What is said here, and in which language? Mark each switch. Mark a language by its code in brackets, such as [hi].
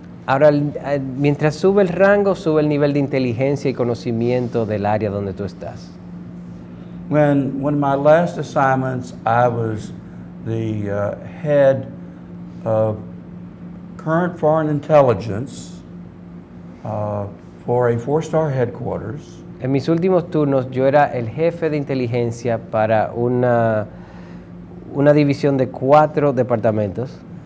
[es] Ahora, mientras sube el rango, sube el nivel de inteligencia y conocimiento del área donde tú estás. [en] When one of my last assignments, I was the head of current foreign intelligence for a four-star headquarters. [es] En mis últimos turnos, yo era el jefe de inteligencia para una división de cuatro departamentos.